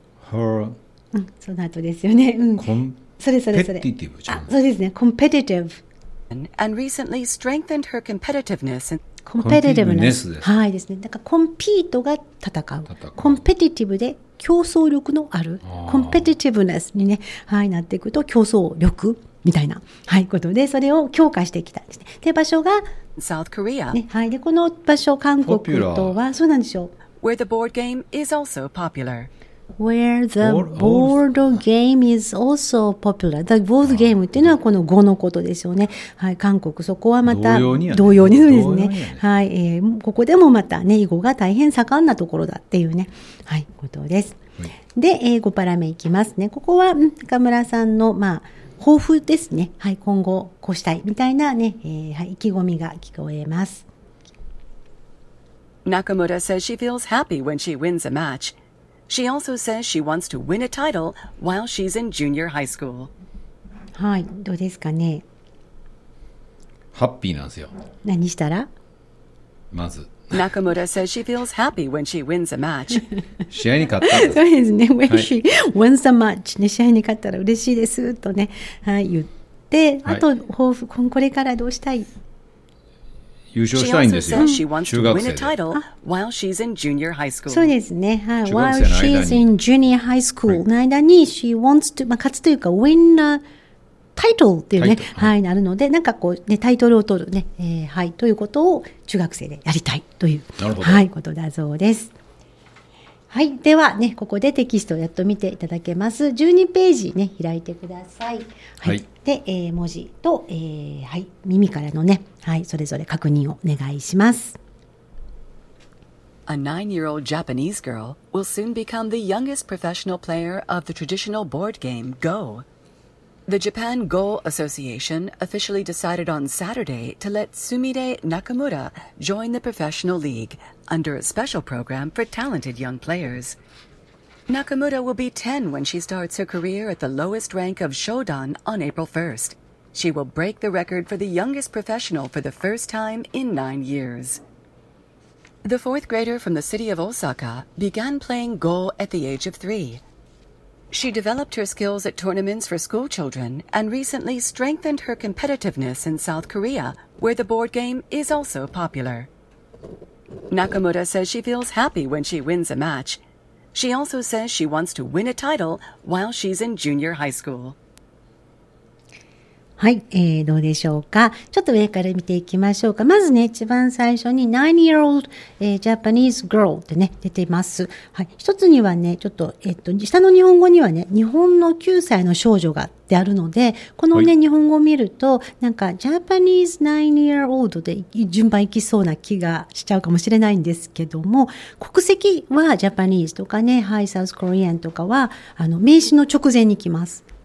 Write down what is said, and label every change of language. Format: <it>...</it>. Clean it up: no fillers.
<en>Her、</en> <ja>うん、その後ですよね、うん、それペティティブじゃん。あ、そうですね、コンペティティブ。</ja> <en>And recently strengthened her competitiveness.</en> <ja>Competitiveness です。はいですね。なんかコンピートが戦う。コンペティティブで競争力のある。コンペティティブネスにね、はい、なっていくと競争力みたいな、はい、ことで、それを強化してきたんですね。で、場所が、</ja> <en>South Korea。</en> <ja>ね、はい。で、この場所、韓国とは、そうなんでしょう。</ja> <en>Where the board game is also popular. Where the board game is also popular.</en> <ja>The board game っていうのはこの語のことですよね。はい、韓国、そこはまた同様にそうですね。はい、ここでもまたね、囲碁が大変盛んなところだっていうね、はい、ことです。で、5パラ目いきますね。ここは、中村さんの、まあ、抱負ですね。はい、今後、こうしたいみたいなね、はい、意気込みが聞こえます。</ja> <en>Nakamura says she feels happy when she wins a match. She also says she wants to win a title while she's in junior high school.</en> <ja>はい、どうですかね。ハッピーなんですよ。何したら？まず。</ja> <en>Nakamura says she feels happy when she wins a match.</en> <ja>試合に勝ったら。そうですね。</ja> <en>When she wins a match、</en> <ja>ね、試合に勝ったら嬉しいですとね、はい、言って、あと、はい、抱負、これからどうしたい？優勝したいんですよ。</ja> <en>She also says she wants to win a title while she's in junior high school.</en> <ja>そうですね。はい。</ja> <en>While she's in junior high school</en> <ja>の間に、</ja> <en>she wants to、</en> <ja>まあ、勝つというか、</ja> <en>win a title</en> <ja>っていうね、はい、なるので、なんかこう、ね、タイトルを取るね、はい、ということを中学生でやりたいという、はい、ことだそうです。はい。ではね、ここでテキストをやっと見ていただけます。12ページね、開いてください。はい。はい、で、文字と、はい、耳からのね、はい、それぞれ確認をお願いします。</ja> <en>A nine-year-old Japanese girl will soon become the youngest professional player of the traditional board game Go. The Japan Go Association officially decided on Saturday to let Sumire Nakamura join the professional league under a special program for talented young players. Nakamura will be 10 when she starts her career at the lowest rank of Shodan on April 1st. She will break the record for the youngest professional for the first time in 9 years. The fourth grader from the city of Osaka began playing Go at the age of 3. She developed her skills at tournaments for school children and recently strengthened her competitiveness in South Korea, where the board game is also popular. Nakamura says she feels happy when she wins a match. She also says she wants to win a title while she's in junior high school.</en> <ja>はい、どうでしょうか。ちょっと上から見ていきましょうか。まずね、一番最初に 9-year-old、Japanese girl ってね、出てます。はい。一つにはね、ちょっと、下の日本語にはね、日本の9歳の少女がってあるので、このね、はい、日本語を見ると、なんか、Japanese 9-year-old で順番いきそうな気がしちゃうかもしれないんですけども、国籍は Japanese とかね、はい、South Korean とかは、名詞の直前に来ます。</ja>